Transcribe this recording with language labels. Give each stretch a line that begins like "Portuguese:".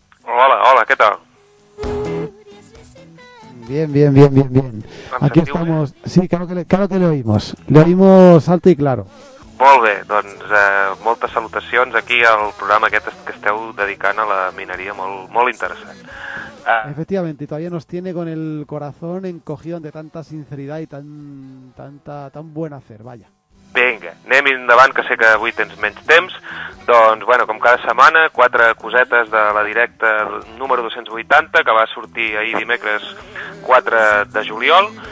Spanish: Hola, ¿qué tal? Bien. Aquí estamos. Sí, claro que le oímos. Le oímos alto y claro.
Catalan: Molt bé, doncs moltes salutacions aquí al programa aquest que esteu dedicant a la mineria, molt, molt interessant.
Spanish: Efectivamente, todavía nos tiene con el corazón encogido ante tanta sinceridad y tan buen hacer, vaya.
Catalan: Vinga, anem endavant, que sé que avui tens menys temps. Doncs, bueno, com cada setmana, quatre cosetes de la directa número 280, que va sortir ahir dimecres 4 de juliol.